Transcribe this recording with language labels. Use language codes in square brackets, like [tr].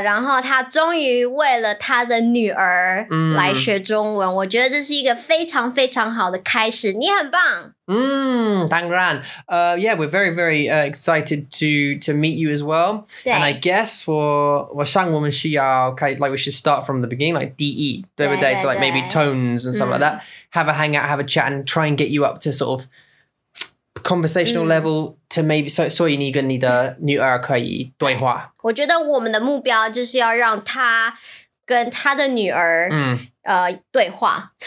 [zh] 然后他终于为了他的女儿来学中文，我觉得这是一个非常非常好的开始。你很棒。当然。 [en] Yeah, we're very, very excited to meet you as well. [zh] 对。 [en] And I guess [zh] 我想我们需要 [en] okay, like we should start from the beginning, like DE, 对不对？ [zh] 对对对。 [en] So like maybe tones and stuff like that. Have a hangout, have a chat and try and get you up to sort of conversational level to maybe so you need [zh] 跟你的女儿可以对话。我觉得我们的目标就是要让她跟她的女儿对话。